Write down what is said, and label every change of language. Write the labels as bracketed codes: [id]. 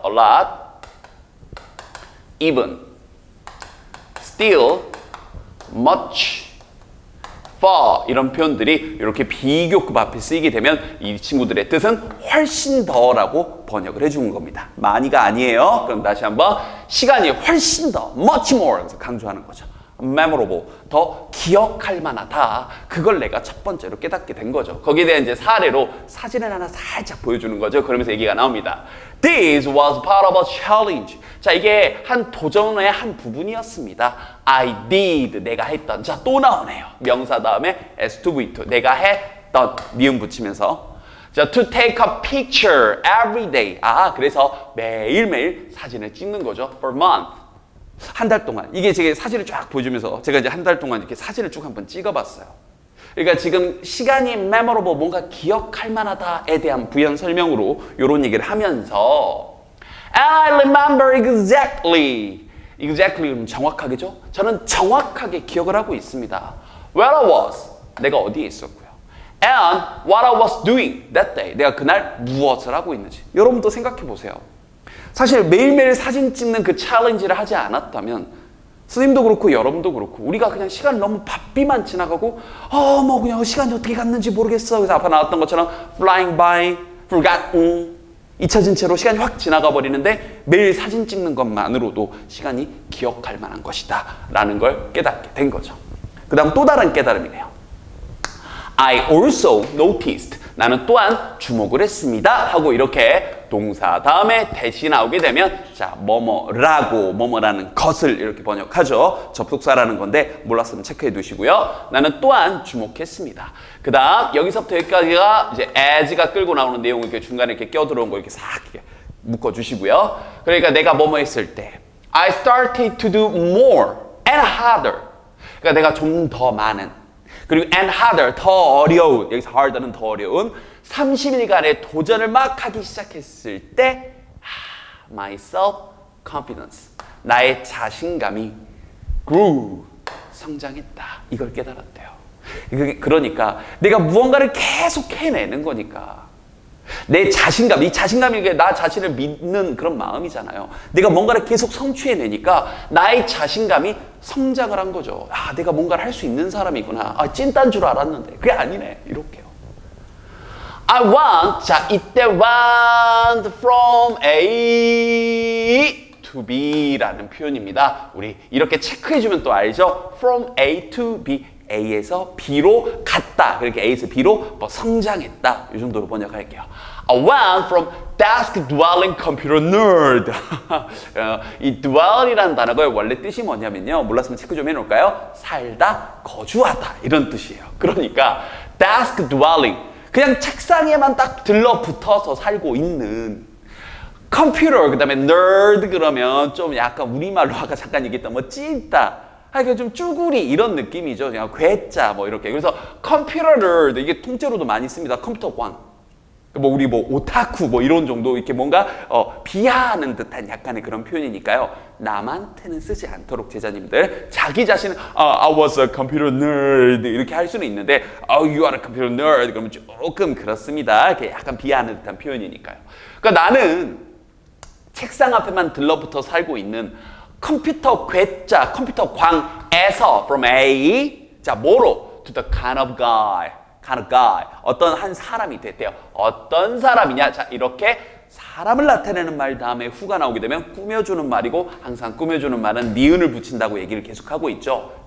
[ko] a lot, even, still, much, far 이런 표현들이 이렇게 비교급 앞에 쓰이게 되면 이 친구들의 뜻은 훨씬 더라고 번역을 해주는 겁니다. 많이가 아니에요. 그럼 다시 한번 시간이 훨씬 더 much more 강조하는 거죠. memorable 더 기억할 만하다. 그걸 내가 첫 번째로 깨닫게 된 거죠. 거기에 대한 이제 사례로 사진을 하나 살짝 보여주는 거죠. 그러면서 얘기가 나옵니다. [en] This was part of a challenge. [ko] 자, 이게 한 도전의 한 부분이었습니다. [en] I did, [ko] 내가 했던. 자, 또 나오네요. 명사 다음에 S2V2, 내가 했던, 니은 붙이면서. 자, [en] to take a picture every day. [ko] 아, 그래서 매일매일 사진을 찍는 거죠. [en] For month. [ko] 한 달 동안. 이게 제가 사진을 쫙 보여주면서 제가 이제 한 달 동안 이렇게 사진을 쭉 한번 찍어봤어요. 그러니까 지금 시간이 memorable, 뭔가 기억할 만하다에 대한 부연 설명으로 이런 얘기를 하면서 [en] I remember exactly. [ko] Exactly 그럼 정확하게죠? 저는 정확하게 기억을 하고 있습니다. [en] Where I was, [ko] 내가 어디에 있었고요. [en] And what I was doing that day, [ko] 내가 그날 무엇을 하고 있는지. 여러분도 생각해 보세요. 사실 매일매일 사진 찍는 그 챌린지를 하지 않았다면 선생님도 그렇고 여러분도 그렇고 우리가 그냥 시간 너무 바삐만 지나가고 뭐 그냥 시간이 어떻게 갔는지 모르겠어. 그래서 앞에 나왔던 것처럼 [en] flying by, [ko] forgotten, 잊혀진 채로 시간이 확 지나가 버리는데 매일 사진 찍는 것만으로도 시간이 기억할 만한 것이다 라는 걸 깨닫게 된 거죠. 그 다음 또 다른 깨달음이네요. [en] I also noticed. [ko] 나는 또한 주목을 했습니다 하고 이렇게 동사 다음에 대시 나오게 되면 자 뭐뭐라고 뭐뭐라는 것을 이렇게 번역하죠. 접속사라는 건데 몰랐으면 체크해 두시고요. 나는 또한 주목했습니다. 그 다음 여기서부터 여기까지가 이제 as가 끌고 나오는 내용을 이렇게 중간에 이렇게 껴들어온 거 이렇게 싹 묶어주시고요. 그러니까 내가 뭐뭐 했을 때 [en] I started to do more and harder. [ko] 그러니까 내가 좀 더 많은 그리고 and harder, 더 어려운 여기서 harder는 더 어려운 30일간의 도전을 막 하기 시작했을 때 [en] my self-confidence [ko] 나의 자신감이 grew 성장했다 이걸 깨달았대요. 그러니까 내가 무언가를 계속 해내는 거니까 내 자신감, 이 자신감이 나 자신을 믿는 그런 마음이잖아요. 내가 뭔가를 계속 성취해내니까 나의 자신감이 성장을 한 거죠. 아, 내가 뭔가를 할 수 있는 사람이구나. 아, 찐딴 줄 알았는데. 그게 아니네. 이렇게요. [en] I want, [ko] 자, 이때 want from A to B라는 표현입니다. 우리 이렇게 체크해주면 또 알죠? From A to B. A에서 B로 갔다. 그렇게 A에서 B로 뭐 성장했다. 이 정도로 번역할게요. [en] I went from desk-dwelling computer nerd. [ko] 이 dwell이라는 단어가 원래 뜻이 뭐냐면요. 몰랐으면 체크 좀 해놓을까요? 살다, 거주하다 이런 뜻이에요. 그러니까 desk-dwelling, 그냥 책상에만 딱 들러붙어서 살고 있는 computer, 그 다음에 nerd 그러면 좀 약간 우리말로 아까 잠깐 얘기했던 뭐 찐따 하여간 좀 쭈구리 이런 느낌이죠. 그냥 괴짜 뭐 이렇게. 그래서 컴퓨터를 이게 통째로도 많이 씁니다. 컴퓨터광. 뭐 우리 뭐 오타쿠 뭐 이런 정도 이렇게 뭔가 비하하는 듯한 약간의 그런 표현이니까요. 남한테는 쓰지 않도록 제자님들. 자기 자신은 [en] I was a computer nerd [ko] 이렇게 할 수는 있는데 [en] you are a computer nerd [ko] 그러면 조금 그렇습니다. 이렇게 약간 비하하는 듯한 표현이니까요. 그러니까 나는 책상 앞에만 들러붙어 살고 있는 컴퓨터 괴짜, 컴퓨터 광에서 from A 자 뭐로 [en] to the kind of guy [ko] 어떤 한 사람이 됐대요. 어떤 사람이냐? 자 이렇게 사람을 나타내는 말 다음에 후가 나오게 되면 꾸며주는 말이고 항상 꾸며주는 말은 니은을 붙인다고 얘기를 계속하고 있죠.